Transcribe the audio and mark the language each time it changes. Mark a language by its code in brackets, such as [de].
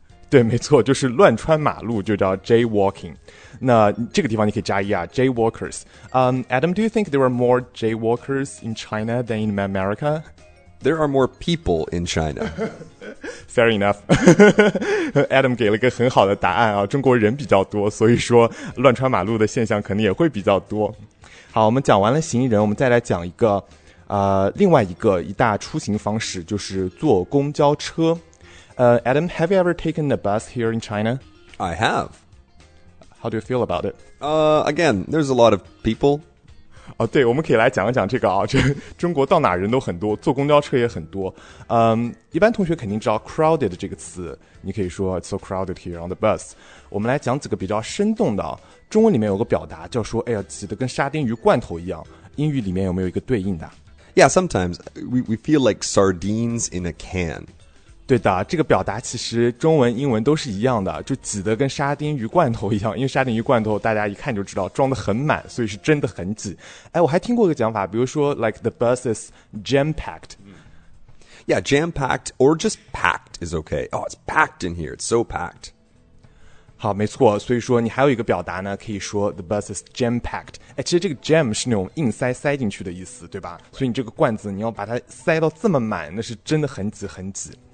[zh] 对，没错，就是乱穿马路就叫 jaywalking。那这个地方你可以加一啊 ，jaywalkers。 [en] Adam, do you think there are more jaywalkers in China than in America? There are more people in China. Fair enough. [zh] Adam 给了一个很好的答案啊，中国人比较多，所以说乱穿马路的现象可能也会比较多。好，我们讲完了行人，我们再来讲一个，另外一个一大出行方式就是坐公交车。 [en] Adam, have you ever taken a bus here in China? I have. How do you feel about it? Again, there's a lot of people. [zh] 哦，对，我们可以来讲一讲这个啊，这中国到哪人都很多，坐公交车也很多。一般同学肯定知道 crowded 这个词，你可以说 [en] it's so crowded here on the bus。 [zh] 我们来讲几个比较生动的啊，中文里面有个表达叫说，哎呀，挤得跟沙丁鱼罐头一样。英语里面有没有一个对应的 [en] ？Yeah, sometimes we feel like sardines in a can。 [zh] 对的，这个表达其实中文、英文都是一样的，就挤得跟沙丁鱼罐头一样。因为沙丁鱼罐头大家一看就知道装得很满，所以是真的很挤。哎，我还听过一个讲法，比如说 [en] like the bus is jam packed. Yeah, jam packed or just packed is okay. Oh, it's packed in here. It's so packed. [zh] 好，没错。所以说你还有一个表达呢，可以说 [en] the bus is jam packed. [zh] 哎，其实这个 jam 是那种硬塞塞进去的意思，对吧？所以你这个罐子你要把它塞到这么满，那是真的很挤很挤。